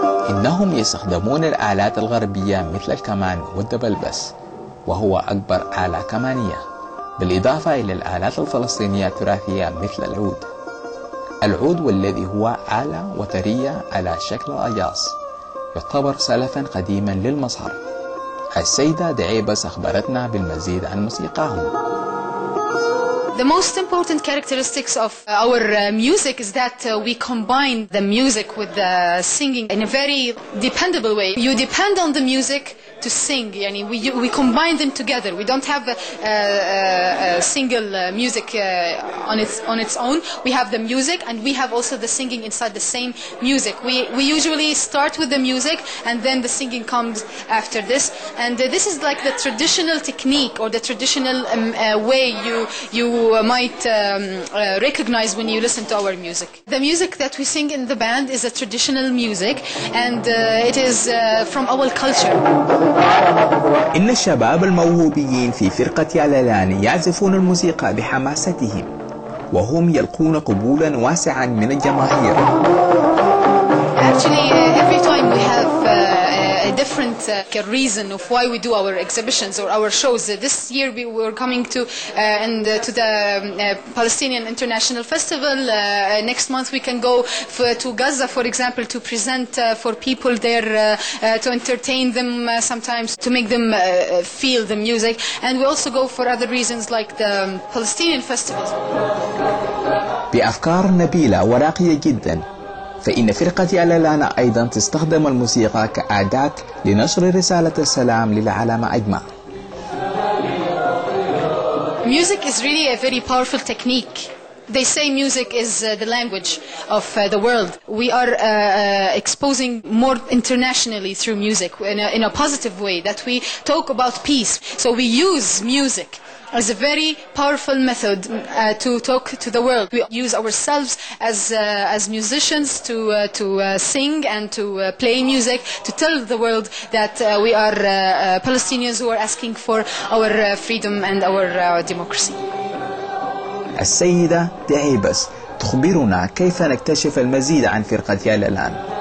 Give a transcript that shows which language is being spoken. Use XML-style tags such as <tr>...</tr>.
<ar>إنهم يستخدمون الآلات الغربية مثل الكمان والدبلبس، وهو أكبر آلة كمانية، بالإضافة إلى الآلات الفلسطينية التراثية مثل العود. العود والذي هو آلة وترية على شكل الأجاص يعتبر سلفا قديما للمسهر. السيدة دعيبس أخبرتنا بالمزيد عن موسيقاهم.</ar> <en>The most important characteristics of our music is that we combine the music with the singing in a very dependable way. You depend on the music to sing. Yani we combine them together. We don't have a single music on its own. We have the music and we have also the singing inside the same music. We usually start with the music and then the singing comes after this. And this is like the traditional technique or the traditional way you might recognize when you listen to our music. The music that we sing in the band is a traditional music, and it is from our culture.</en> <ar>إن الشباب الموهوبين في فرقة يالالان يعزفون الموسيقى بحماستهم، وهم يلقون قبولا واسعا من الجماهير.</ar> <en>Actually, every time we have a different reason of why we do our exhibitions or our shows. This year we were coming to the Palestinian International Festival. Next month we can go to Gaza, for example, to present for people there, to entertain them sometimes, to make them feel the music. And we also go for other reasons like the Palestinian festivals.</en> <ar>بأفكار نبيلة وراقية جدا، فإن فرقة يالالان أيضا تستخدم الموسيقى كأداة لنشر رسالة السلام للعالم أجمع.</ar> <en>Music is really a very powerful technique. They say music is the language of the world. We are exposing more internationally through music in a positive way, that we talk about peace. So we use music as a very powerful method to talk to the world. We use ourselves as musicians to sing and to play music, to tell the world that we are Palestinians who are asking for our freedom and our democracy.</en> <ar>السيدة دعيبس تخبرنا كيف نكتشف المزيد عن فرقة يالالان.</ar>